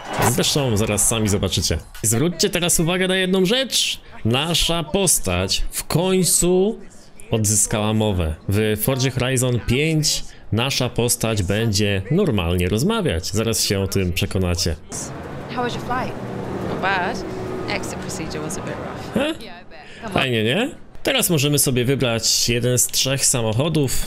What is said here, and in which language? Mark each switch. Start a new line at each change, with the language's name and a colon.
Polish: Zresztą zaraz sami zobaczycie. Zwróćcie teraz uwagę na jedną rzecz. Nasza postać w końcu odzyskała mowę. W Forza Horizon 5 nasza postać będzie normalnie rozmawiać. Zaraz się o tym przekonacie.
English: How was your flight? Not bad. Exit procedure was a bit rough.
Polish: Fajnie, nie? Teraz możemy sobie wybrać jeden z trzech samochodów.